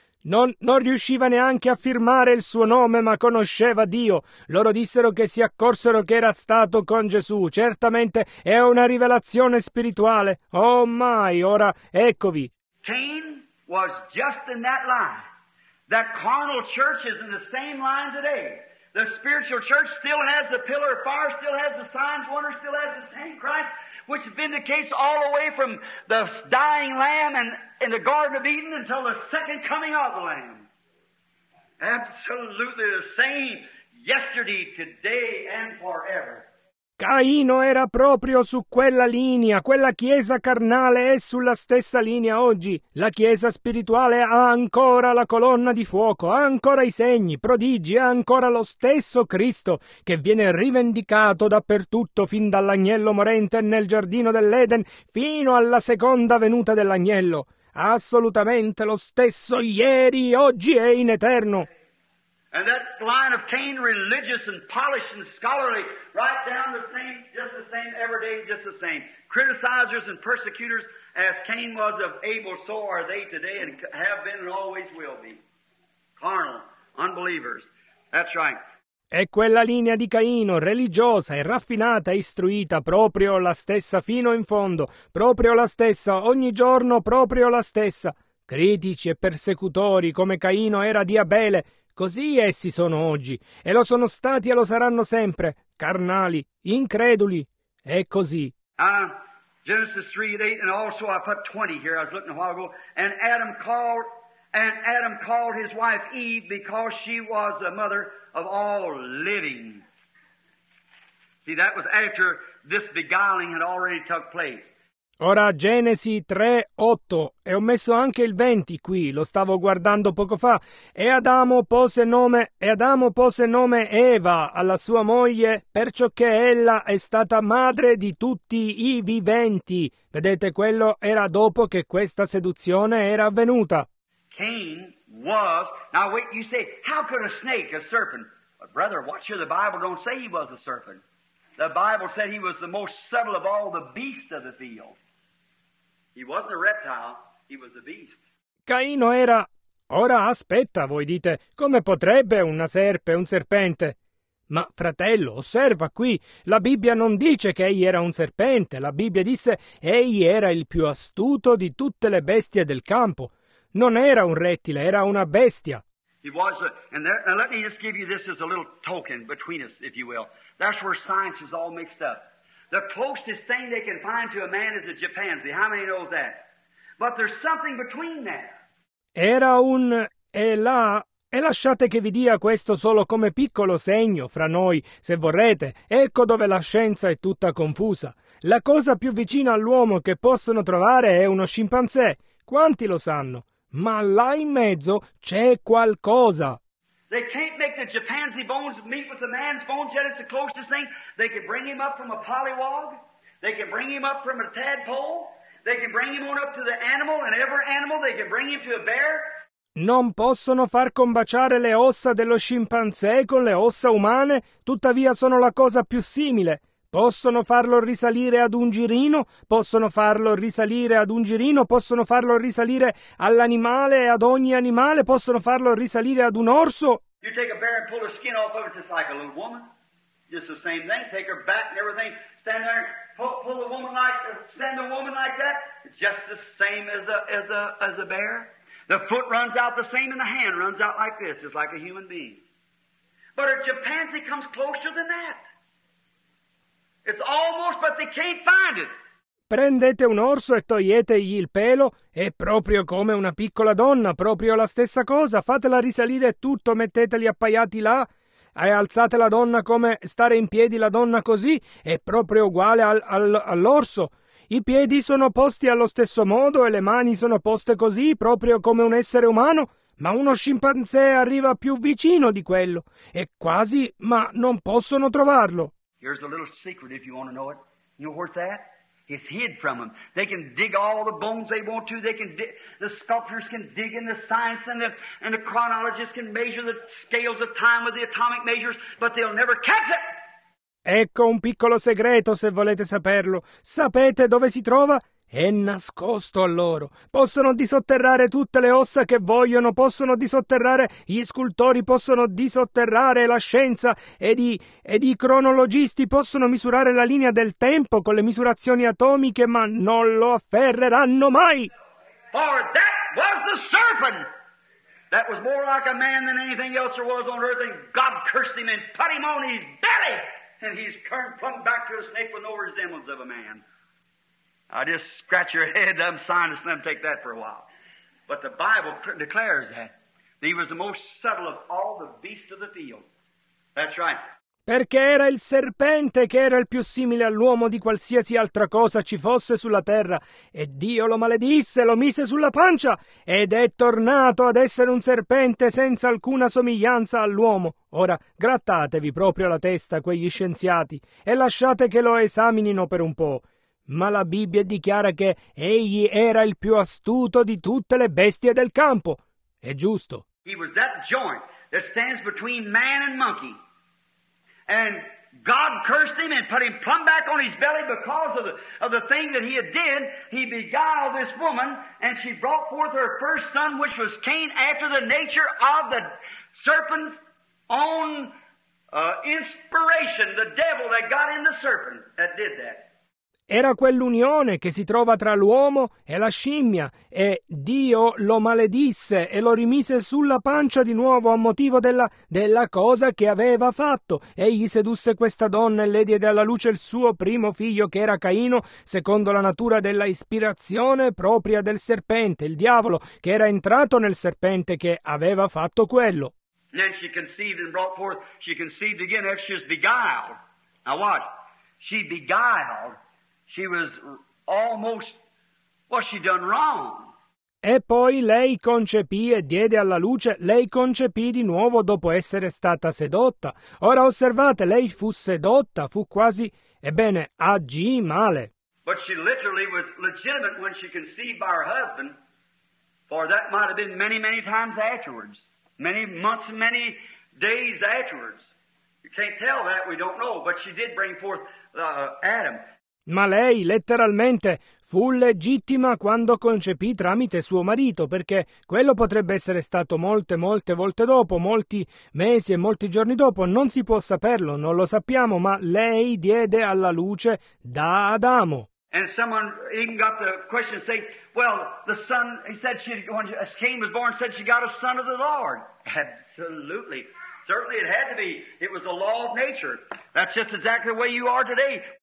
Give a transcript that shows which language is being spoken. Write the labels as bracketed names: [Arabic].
[Italian] Non riusciva neanche a firmare il suo nome, ma conosceva Dio. Loro dissero che si accorsero che era stato con Gesù. Certamente è una rivelazione spirituale. [English] Oh my, [Italian] ora eccovi. [English] Cain was just in that line. That carnal church is in the same line today. The spiritual church still has the pillar of fire, still has the signs, wonders, still has the same Christ, which vindicates all the way from the dying lamb and in the Garden of Eden until the second coming of the lamb. Absolutely the same yesterday, today, and forever. [Italian] Caino era proprio su quella linea, quella chiesa carnale è sulla stessa linea oggi. La chiesa spirituale ha ancora la colonna di fuoco, ha ancora i segni, prodigi, ha ancora lo stesso Cristo che viene rivendicato dappertutto fin dall'agnello morente nel giardino dell'Eden fino alla seconda venuta dell'agnello. Assolutamente lo stesso ieri, oggi e in eterno. [English] And that line of Cain, religious and polished and scholarly, right down the same, just the same, every day, just the same. Criticizers and persecutors, as Cain was of Abel, so are they today and have been and always will be. Carnal, unbelievers. That's right. [Italian] E quella linea di Caino, religiosa e raffinata e istruita, proprio la stessa fino in fondo, proprio la stessa, ogni giorno proprio la stessa. Critici e persecutori, come Caino era di Abele, così essi sono oggi, e lo sono stati e lo saranno sempre, carnali, increduli, è così. [English] Genesis 3:8, and also I put 20 here, I was looking a while ago, and Adam called his wife Eve because she was the mother of all living. See, that was after this beguiling had already took place. [Italian] Ora Genesi 3:8, e ho messo anche il 20 qui, lo stavo guardando poco fa. E Adamo pose nome Eva alla sua moglie, perciò che ella è stata madre di tutti i viventi. Vedete, quello era dopo che questa seduzione era avvenuta. [English] Cain was. Now wait, you say, how could a snake, a serpent? But brother, watch here, the Bible don't say he was a serpent. The Bible said he was the most subtle of all the beasts of the field. He wasn't a reptile, he was a beast. [Italian] Caino era... Ora aspetta, voi dite, come potrebbe una serpe, un serpente? Ma, fratello, osserva qui, la Bibbia non dice che egli era un serpente, la Bibbia disse egli era il più astuto di tutte le bestie del campo. Non era un rettile, era una bestia. [English] He was a... And there, now let me just give you this as a little token between us, if you will. That's where science is all mixed up. The closest thing they can find to a man is a chimpanzee. How many knows that? But there's something between that. [Italian] Era un... E là... E lasciate che vi dia questo solo come piccolo segno fra noi, se vorrete. Ecco dove la scienza è tutta confusa. La cosa più vicina all'uomo che possono trovare è uno scimpanzé. Quanti lo sanno? Ma là in mezzo c'è qualcosa. [English] They can't make the chimpanzee bones meet with the man's bones, yet it's the closest thing. They can bring him up from a polywog. They can bring him up from a tadpole. They can bring him on up to the animal, and every animal, they can bring him to a bear. [Italian] Non possono far combaciare le ossa dello scimpanzé con le ossa umane, tuttavia sono la cosa più simile. Possono farlo risalire ad un girino, possono farlo risalire ad un girino, possono farlo risalire all'animale, ad ogni animale, possono farlo risalire ad un orso. [English] You take a bear and pull the skin off of it, just like a little woman. Just the same thing. Take her back and everything. Stand there and pull the woman like, stand the woman like that. It's just the same as a bear. The foot runs out the same and the hand runs out like this. It's like a human being. But a chimpanzee comes closer than that. It's almost, but they can't find it. [Italian] Prendete un orso e toglietegli il pelo, è proprio come una piccola donna, proprio la stessa cosa. Fatela risalire tutto, metteteli appaiati là, e alzate la donna come stare in piedi la donna così, è proprio uguale all'orso. I piedi sono posti allo stesso modo e le mani sono poste così, proprio come un essere umano, ma uno scimpanzé arriva più vicino di quello, e quasi, ma non possono trovarlo. [English] Here's a little secret if you want to know it. You know where's that? It's hid from them. They can dig all the bones they want to. They can the sculptors can dig in the science and the chronologists can measure the scales of time with the atomic measures, but they'll never catch it! [Italian] Ecco un piccolo segreto se volete saperlo. Sapete dove si trova? È nascosto a loro. Possono disotterrare tutte le ossa che vogliono, possono disotterrare gli scultori, possono disotterrare la scienza ed i cronologisti, possono misurare la linea del tempo con le misurazioni atomiche, ma non lo afferreranno mai. [English] For that was the serpent that was more like a man than anything else there was on earth, and God cursed him and put him on his belly, and he's turned plumb back to a snake with no resemblance of a man. I just scratch your head, I'm scientists, let them take that for a while. But the Bible declares that he was the most subtle of all the beasts of the field. That's right. [Italian] Perché era il serpente che era il più simile all'uomo di qualsiasi altra cosa ci fosse sulla terra. E Dio lo maledisse, lo mise sulla pancia, ed è tornato ad essere un serpente senza alcuna somiglianza all'uomo. Ora, grattatevi proprio la testa, quegli scienziati, e lasciate che lo esaminino per un po'. Ma la Bibbia dichiara che egli era il più astuto di tutte le bestie del campo. È giusto. [English] He was that joint that stands between man and monkey. And God cursed him and put him plumb back on his belly because of the thing that he had did. He beguiled this woman and she brought forth her first son, which was Cain, after the nature of the serpent's own inspiration, the devil that got in the serpent that did that. [Italian] Era quell'unione che si trova tra l'uomo e la scimmia, e Dio lo maledisse e lo rimise sulla pancia di nuovo a motivo della cosa che aveva fatto. Egli sedusse questa donna e le diede alla luce il suo primo figlio, che era Caino, secondo la natura della ispirazione propria del serpente, il diavolo, che era entrato nel serpente che aveva fatto quello. [English] Then she conceived and brought forth, she conceived again after she was beguiled. Now watch, she beguiled. She was almost, well, she done wrong. [Italian] E poi lei concepì e diede alla luce, lei concepì di nuovo dopo essere stata sedotta. Ora osservate, lei fu sedotta, fu quasi, ebbene, agì male. [English] But she literally was legitimate when she conceived by her husband, for that might have been many, many times afterwards, many months, many days afterwards. You can't tell that, we don't know, but she did bring forth Adam. [Italian] Ma lei, letteralmente, fu legittima quando concepì tramite suo marito, perché quello potrebbe essere stato molte, molte volte dopo, molti mesi e molti giorni dopo, non si può saperlo, non lo sappiamo, ma lei diede alla luce da Adamo. [English] And someone even got the question, say, well, the son, he said, she, when Cain was born, said she got a son of the Lord. Absolutely. Certainly it had to be. It was the law of nature. That's just exactly the way you are today.